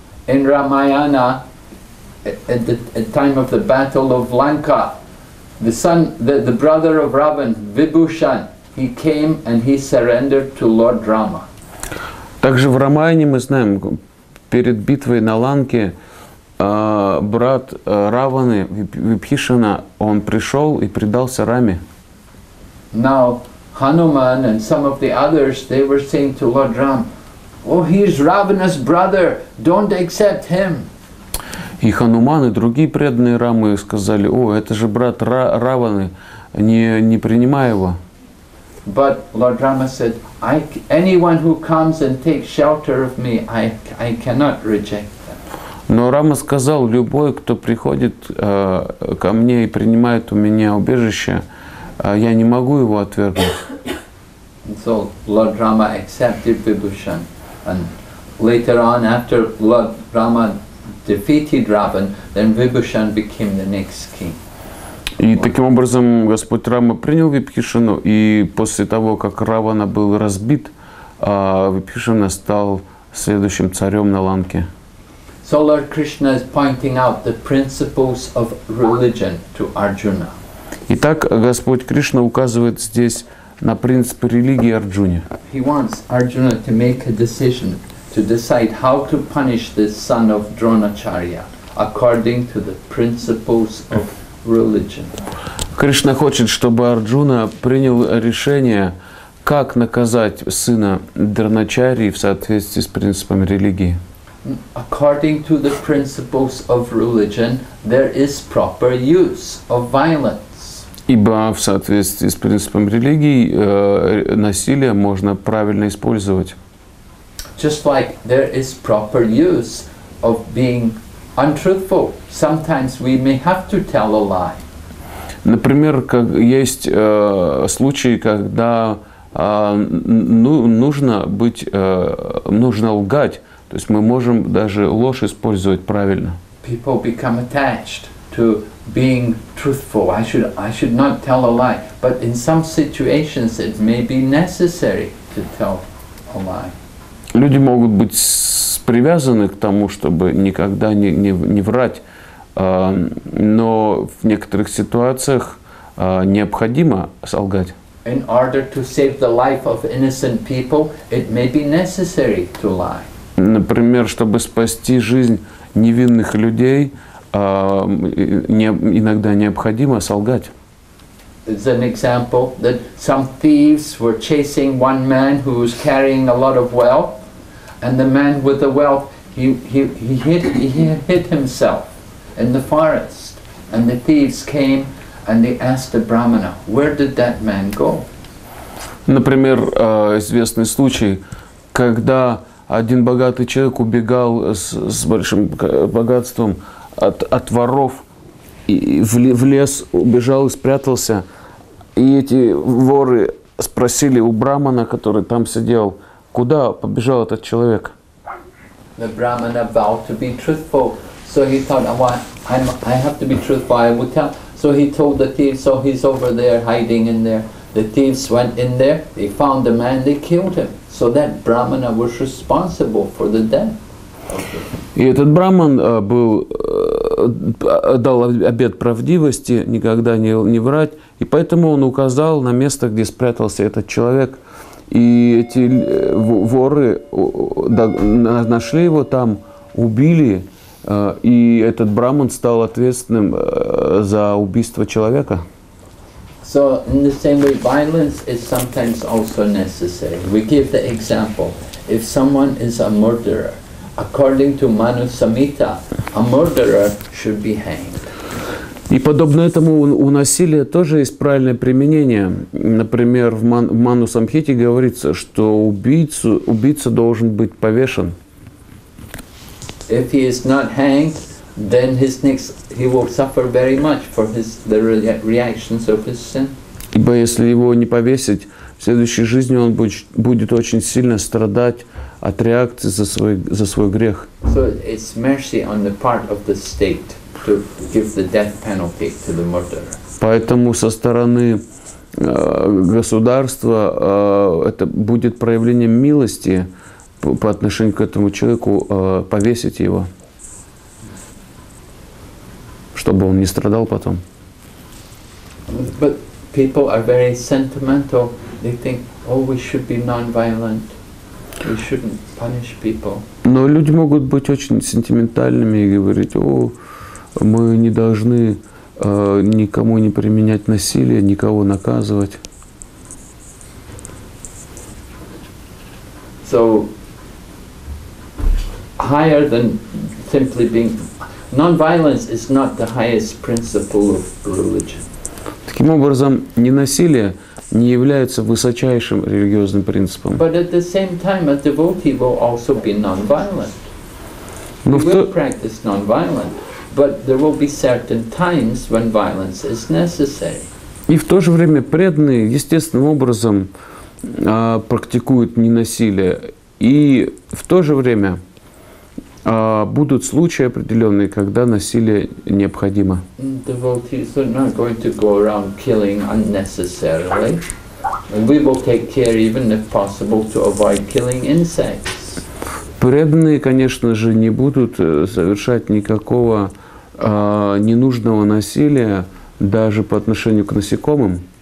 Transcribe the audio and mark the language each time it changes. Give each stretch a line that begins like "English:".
English: In Ramayana, at the time of the battle of Lanka, the son, the brother of Ravan, Vibhushan, he came and he surrendered to Lord Rama.
Russian: Также в Рамаяне мы знаем, перед битвой на Ланке брат Раваны, Вибхишана, он пришел и предался Раме.
English: Now Hanuman and some of the others, they were saying to Lord Ram, "Oh, he is Ravana's brother. Don't accept him."
Russian: И Хануман и другие преданные Рамы сказали: "О, это же брат Раваны, не принимай его."
English: But Lord Rama said, "Anyone who comes and takes shelter of me, I cannot reject them."
Russian: Но Рама сказал: "Любой, кто приходит ко мне и принимает у меня убежище, я не могу его отвергнуть."
English: So Lord Rama accepted Vibhushan, and later on, after Lord Rama defeated Ravan, then Vibhushan became the next king.
Russian: И таким образом Господь Рама принял Вибхишану, и после того, как Равана был разбит, Вибхишана стал следующим царем на Ланке.
English: So Lord Krishna is pointing out the principles of religion to Arjuna.
Russian: Итак, Господь Кришна указывает здесь на принципы религии Арджуне.
English: He wants Arjuna to make a decision to decide how to punish the son of Dronacharya according to the principles of religion.
Russian: Кришна хочет, чтобы Арджуна принял решение, как наказать сына Дроначарьи в соответствии с принципами религии.
English: According to the principles of religion, there is proper use of violence.
Russian: Ибо в соответствии с принципом религии насилие можно правильно использовать.
English: Just like there is proper use of being untruthful. Sometimes we may have to tell a lie.
Russian: Например, как есть случаи, когда нужно лгать. То есть мы можем даже ложь использовать правильно.
English: People become attached to being truthful. I should not tell a lie. But in some situations it may be necessary to tell a lie.
Russian: Люди могут быть привязаны к тому, чтобы никогда не врать, но в некоторых ситуациях необходимо солгать.
English: In order to save the life of innocent people, it may be necessary to lie.
Russian: Например, чтобы спасти жизнь невинных людей, иногда необходимо солгать.
English: It's an example that some thieves were chasing one man who was carrying a lot of wealth, and the man with the wealth he hid himself in the forest, and the thieves came and they asked the brahmana, where did that man go?
Russian: Например, известный случай, когда один богатый человек убегал с большим богатством от воров, и в лес убежал и спрятался. И эти воры спросили у брахмана, который там сидел, куда побежал этот человек.
English: The brahmana vowed to be truthful, so he thought, I have to be truthful, I will tell. So he told the thieves, so he's over there hiding in there. The thieves went in there, they found the man, they killed him. So that brahmana was responsible for the death.
Russian: И этот брахман дал обет правдивости, никогда не врать, и поэтому он указал на место, где спрятался этот человек. И эти воры нашли его там, убили, и этот брахман стал ответственным за убийство человека.
English: So in the same way, violence is sometimes also necessary. We give the example, if someone is a murderer, According to Manu Samhita, a murderer should be hanged.
Russian: И подобно этому у насилия тоже есть правильное применение. Например, в Ману Самхите говорится, что убийца должен быть повешен.
English: If he is not hanged, then his next he will suffer very much for his the reactions of his sin.
Russian: Ибо если его не повесить, в следующей жизни он будет очень сильно страдать от реакции за свой грех.
English: So it's mercy on the part of the state to give the death penalty to the murderer.
Russian: Поэтому со стороны государства это будет проявлением милости по отношению к этому человеку повесить его, чтобы он не страдал потом.
English: But people are very sentimental. They think, oh, we should be non-violent. We shouldn't punish people.
Russian: Но люди могут быть очень сентиментальными и говорить, о, мы не должны никому не применять насилие, никого наказывать.
English: So, higher than simply being... Non-violence is not the highest principle of religion.
Russian: Таким образом, ненасилие не является высочайшим религиозным принципом.
English: But at the same time, a devotee will also be non-violent. He will practice non-violent, but there will be certain times when violence is necessary.
Russian: И в то же время преданные естественным образом практикуют ненасилие, и в то же время будут случаи определенные, когда насилие необходимо.
English: Devotees are not going to go around killing unnecessarily. We will take care, even if possible, to avoid killing insects.
Russian: Преданные, конечно же, не будут совершать никакого ненужного насилия, даже по отношению к насекомым.